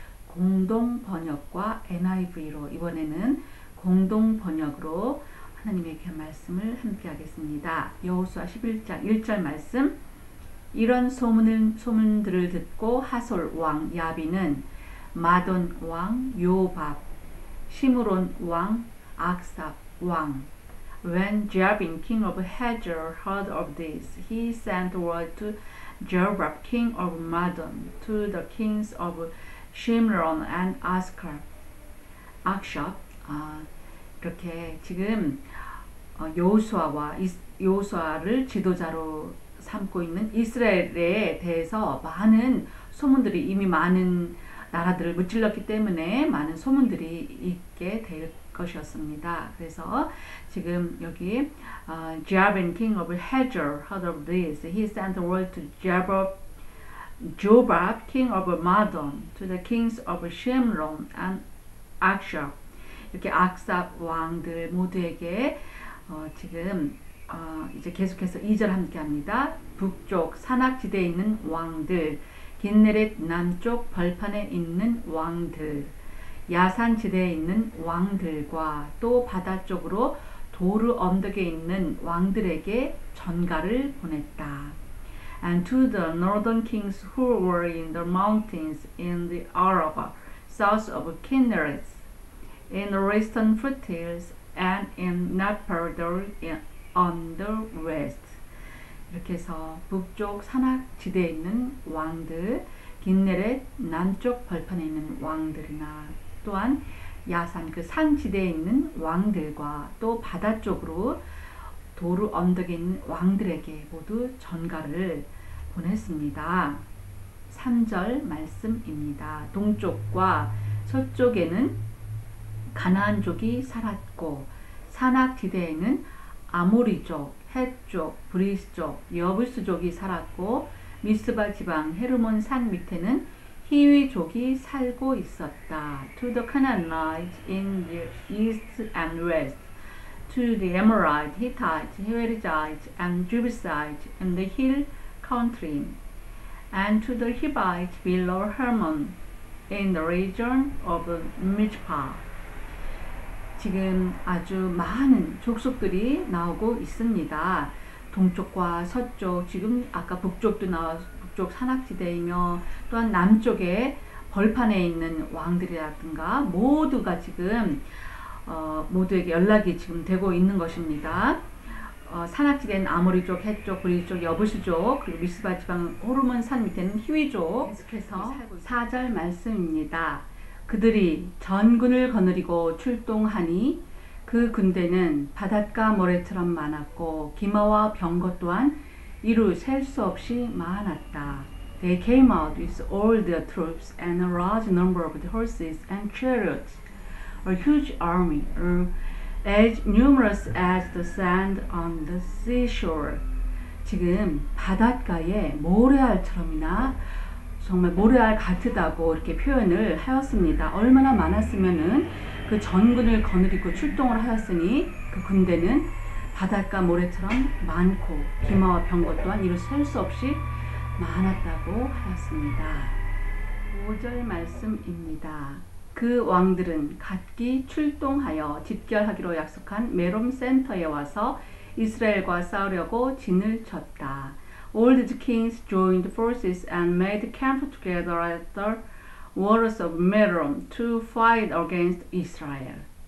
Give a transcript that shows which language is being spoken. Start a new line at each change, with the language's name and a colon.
Korean: 공동 번역과 NIV로 이번에는 공동 번역으로 하나님의 귀한 말씀을 함께하겠습니다. 여호수아 11장 1절 말씀. 이런 소문들을 듣고 하솔 왕 야비는 마돈 왕 요밥, 시므론 왕 악삽 왕.
English: When Jabin, king of Hazor, heard of this, he sent word to Jobab, king of Madon, to the kings of Shimron and Askar, Akshab.
Korean: 이렇게 지금 여호수아와 여호수아를 지도자로 삼고 있는 이스라엘에 대해서 많은 소문들이 이미 많은 나라들을 무찔렀기 때문에 많은 소문들이 있게 될 것이었습니다. 그래서 지금 여기
English: Jabin, king of Hazor, heard of this. He sent word to Jobab, king of Madon, to the kings of Shimron and Akshab.
Korean: 이렇게 악삽 왕들 모두에게 지금 이제 계속해서 2절 함께 합니다. 북쪽 산악지대에 있는 왕들, 긴네렛 남쪽 벌판에 있는 왕들, 야산지대에 있는 왕들과 또 바다 쪽으로 도르 언덕에 있는 왕들에게 전갈을 보냈다.
English: And to the northern kings who were in the mountains in the Araba, south of Kinneret, in the western foothills, and in Naphtali on the west.
Korean: 이렇게 해서 북쪽 산악지대에 있는 왕들, 긴네렛 남쪽 벌판에 있는 왕들이나 또한 야산 그 산지대에 있는 왕들과 또 바다 쪽으로 도르 언덕에 있는 왕들에게 모두 전갈을 보냈습니다. 3절 말씀입니다. 동쪽과 서쪽에는 가나안족이 살았고 산악지대에는 아모리족, 헷족, 브리스족, 여부스족이 살았고 미스바 지방 헤르몬 산 밑에는 히위족이 살고 있었다.
English: To the Canaanites in the east and west, to the Amorites, Hittites, Hivites, and Jebusites in the hill country, and to the Hivites below Hermon in the region of Mizpah.
Korean: 지금 아주 많은 족속들이 나오고 있습니다. 동쪽과 서쪽, 지금 아까 북쪽도 나왔고 북쪽 산악지대이며 또한 남쪽에 벌판에 있는 왕들이라든가 모두가 지금 모두에게 연락이 지금 되고 있는 것입니다. 산악지대는 아모리족, 헷족, 브리스족, 여부스족, 그리고 미스바 지방 호르몬 산 밑에는 히위족. 계속해서 4절 말씀입니다. 그들이 전군을 거느리고 출동하니 그 군대는 바닷가 모래처럼 많았고 기마와 병거 또한 이루 셀 수 없이 많았다.
English: They came out with all their troops and a large number of the horses and chariots, a huge army, as numerous as the sand on the seashore.
Korean: 지금 바닷가에 모래알처럼이나 정말 모래알 같다고 이렇게 표현을 하였습니다. 얼마나 많았으면은 그 전군을 거느리고 출동을 하였으니 그 군대는 바닷가 모래처럼 많고 기마와 병거 또한 이를 셀 수 없이 많았다고 하였습니다. 5절 말씀입니다. 그 왕들은 각기 출동하여 집결하기로 약속한 메롬 센터에 와서 이스라엘과 싸우려고 진을 쳤다.
English: All the kings joined forces and made camp together at the walls of Merom to fight against Israel.